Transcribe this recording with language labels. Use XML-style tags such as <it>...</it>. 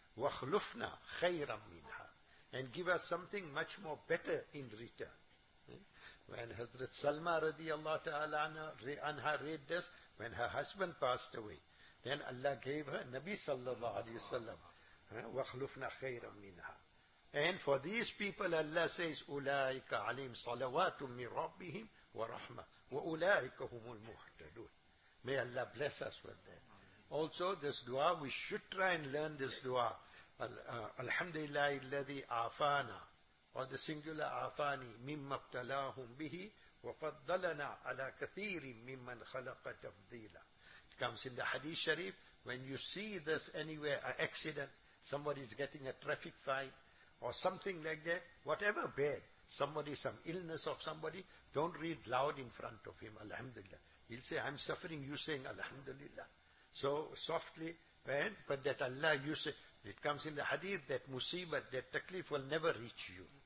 <ar>Wakhlufna khayram minha.</ar> <en>And give us something much more better in return. When Hazrat Salma radiallahu ta'ala anha read this, when her husband passed away, then Allah gave her Nabi sallallahu alayhi wa sallam.</en> <ar>وَخْلُفْنَا خَيْرًا مِنْهَا.</ar> <en>And for these people, Allah says,</en> <ar>أُولَٰئِكَ عَلِيمْ صَلَوَاتٌ مِّنْ رَبِّهِمْ وَرَحْمَةٌ وَأُولَٰئِكَ هُمُ الْمُهْتَدُونَ.</ar> <en>May Allah bless us with that. Also, this dua, we should try and learn this dua.</en> <ar>Alhamdulillah, الَّذِي عَافَانَا,</ar> <en>or the singular</en> <ar>عَافَانِي, مِمَّا ابْتَلَاهُمْ بِهِ وَفَضَّلَنَا عَلَىٰ كَثِيرٍ مِّمَّنْ خَلَقَ تَفْضِيلًا.</ar> <en>It comes in the Hadith Sharif. When you see this anywhere, an accident, somebody is getting a traffic fight or something like that, whatever bad, somebody, some illness of somebody, don't read loud in front of him, Alhamdulillah. He'll say, I'm suffering, you saying Alhamdulillah. So softly, but that Allah, you say, it comes in the Hadith, that musibat, that taklif will never reach you.</en>